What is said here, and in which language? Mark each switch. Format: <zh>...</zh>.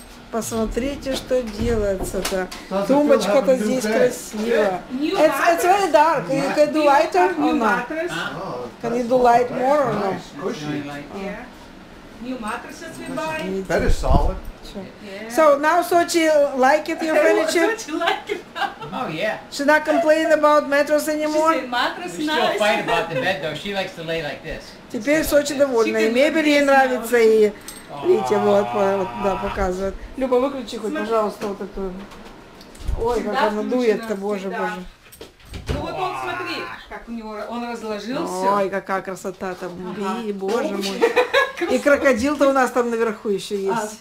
<ru>Посмотрите, что делается-то. Тумбочка-то здесь красивая.</ru> <en>It's very dark. Can you do lighter? New mattress. Can you do light more or no? Cushions. New mattresses we buy. That is solid. So now Sochi liked your furniture? Sochi liked it now. Oh yeah. She not complain about mattress anymore? She said mattress We still fight about the bed though. She likes to lay like this.</en> <ru>Теперь Сочи довольна, и мебель ей нравится, и видите, вот, вот, да, показывает. Люба, выключи хоть, пожалуйста, вот эту. Ой, как она дует-то, боже, боже. Ну вот он, смотри, как у него, он разложился. Ой, какая красота там, боже мой. И крокодил-то у нас там наверху еще есть.</ru>